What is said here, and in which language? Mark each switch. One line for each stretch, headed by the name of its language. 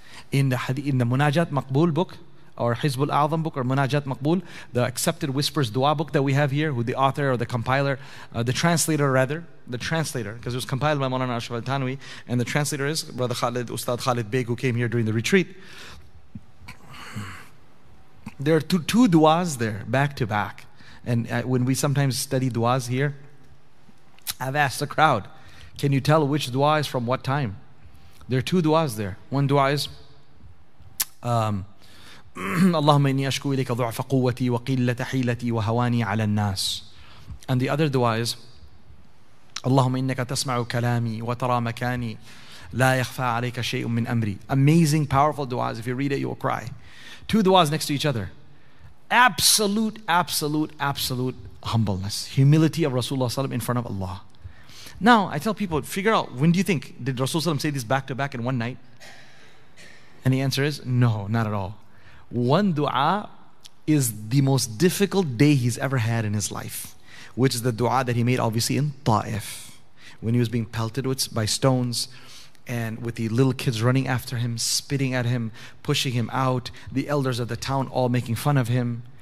English: In the Munajat Maqbool book, or Hizbul Azam book, or Munajat Maqbool, the accepted whispers dua book that we have here, who the author or the compiler, the translator, because it was compiled by Maulana Ashraf al-Tanwi, and the translator is Brother Khalid, Ustad Khalid Beg, who came here during the retreat. There are two duas there, back to back. And when we sometimes study duas here, I've asked the crowd, can you tell which dua is from what time? There are two duas there. One dua is,
Arabic: اللهم إني أشكو إليك ضعف قوتي وقلة حيلتي وهواني على الناس.
English: And the other dua is,
Arabic: اللهم إنك تسمع كلامي وترى مكاني لا يخفى عليك شيء من أمري.
English: Amazing, powerful duas. If you read it, you will cry. Two duas next to each other. Absolute, absolute, absolute humbleness. Humility of Rasulullah SAW in front of Allah. Now, I tell people, figure out, when do you think, did Rasulullah SAW say this back to back in one night? And the answer is, no, not at all. One dua is the most difficult day he's ever had in his life, which is the dua that he made obviously in Ta'if, when he was being pelted by stones and with the little kids running after him, spitting at him, pushing him out, the elders of the town all making fun of him.